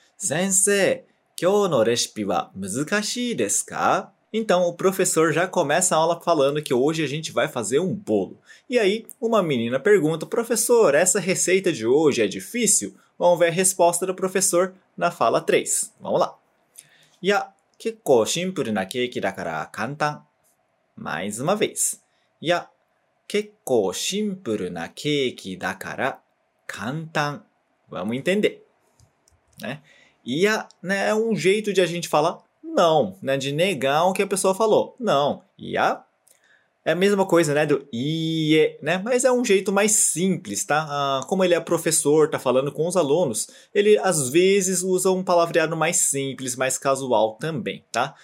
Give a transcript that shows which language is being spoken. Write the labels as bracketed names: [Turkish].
[Japanese] 先生, 今日のレシピは難しいですか? [Portuguese] Então, o professor já começa a aula falando que hoje a gente vai fazer um bolo. E aí, uma menina pergunta, professor, essa receita de hoje é difícil? Vamos ver a resposta do professor na fala 3. Vamos lá. [Japanese] Ya, 結構シンプルなケーキだから簡単。 [Portuguese] Mais uma vez. [Japanese] Ya, 結構シンプルなケーキだから簡単。 [Portuguese] Vamos entender. Né? Ya, né, é um jeito de a gente falar não, né, de negar o que a pessoa falou. Não. Ya, é a mesma coisa, né, do ie, né, mas é um jeito mais simples, tá? Ah, como ele é professor, tá falando com os alunos, ele às vezes usa um palavreado mais simples, mais casual também, tá?